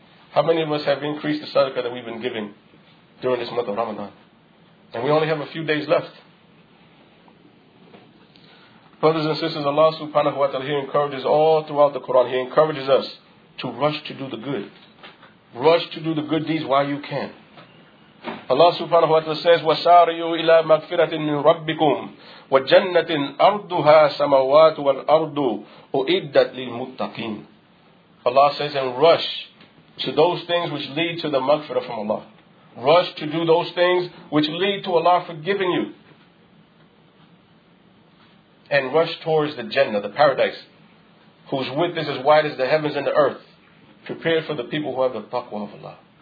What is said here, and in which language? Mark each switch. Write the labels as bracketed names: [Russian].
[English] How many of us have increased the sadaqah that we've been giving during this month of Ramadan? And we only have a few days left. Brothers and sisters, Allah subhanahu wa ta'ala, He encourages all throughout the Quran, He encourages us to rush to do the good. Rush to do the good deeds while you can. Allah subhanahu wa ta'ala says, [Arabic] وَسَارِيُوا إِلَىٰ مَغْفِرَةٍ مِّن رَبِّكُمْ وَجَنَّةٍ أَرْضُهَا سَمَوَاتُ وَالْأَرْضُ أُعِدَّتْ لِلْمُتَّقِينَ. [English] Allah says, and rush to those things which lead to the maghfirah from Allah. Rush to do those things which lead to Allah forgiving you. And rush towards the Jannah, the paradise, whose width is as wide as the heavens and the earth, prepared for the people who have the taqwa of Allah.